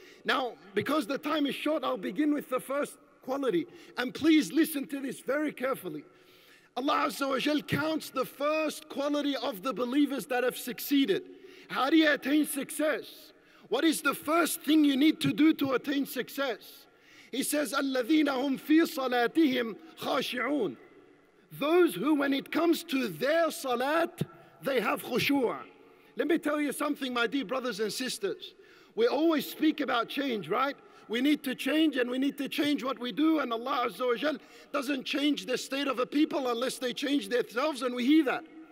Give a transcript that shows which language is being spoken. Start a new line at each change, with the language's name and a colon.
English: Now, because the time is short, I'll begin with the first quality. And please listen to this very carefully. Allah Azza wa Jal counts the first quality of the believers that have succeeded. How do you attain success? What is the first thing you need to do to attain success? He says,
Arabic: الَّذِينَ هُمْ فِي صَلَاتِهِمْ خَاشِعُونَ.
English: Those who, when it comes to their salat, they have khushu'. Let me tell you something, my dear brothers and sisters. We always speak about change, right? We need to change, and we need to change what we do, and Allah Azza wa Jal doesn't change the state of a people unless they change themselves, and we hear that.